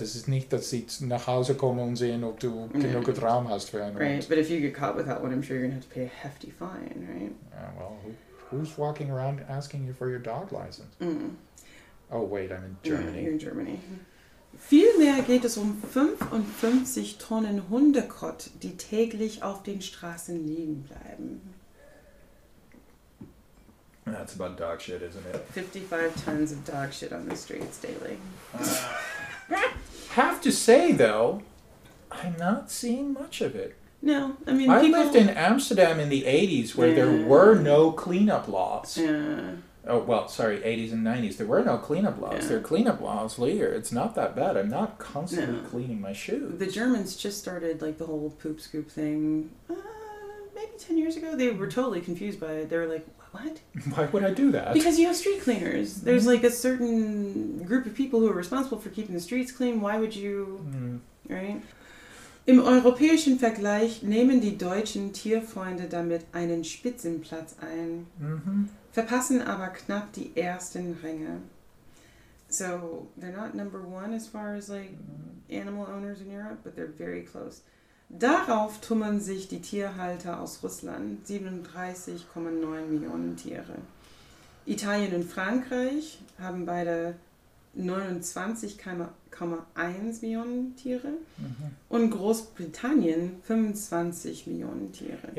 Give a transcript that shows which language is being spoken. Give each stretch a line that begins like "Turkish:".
German: Das ist nicht, dass sie nach Hause kommen und sehen, ob du genug Raum hast für einen
English: Hund. Right, but if you get caught without one, I'm sure you're going to have to pay a hefty fine, right? Yeah, well, who's walking around asking you for your dog license? Mm. Oh, wait, I'm in Germany. Yeah, you're in Germany. Vielmehr geht es um 55 Tonnen Hundekot, die täglich auf den Straßen liegen bleiben. That's about dog shit, isn't it? 55 tons of dog shit on the streets daily. Have to say, though, I'm not seeing much of it. No, I mean, I lived in Amsterdam in the 80s where there were no cleanup laws. Yeah. Oh, well, sorry, 80s and 90s. There were no cleanup laws. Yeah. There are cleanup laws later. It's not that bad. I'm not constantly cleaning my shoes. The Germans just started, like, the whole poop scoop thing, maybe 10 years ago. They were totally confused by it. They were like, what? Why would I do that? Because you have street cleaners. There's, like, a certain group of people who are responsible for keeping the streets clean. Why would you, right?
German: Im europäischen Vergleich nehmen die deutschen Tierfreunde damit einen Spitzenplatz ein, verpassen aber knapp die ersten Ränge.
English: So, they're not number one as far as, like, animal owners in Europe, but they're very close.
German: Darauf tummeln sich die Tierhalter aus Russland, 37,9 Millionen Tiere. Italien und Frankreich haben beide 29,1 Millionen Tiere und Großbritannien 25 Millionen Tiere.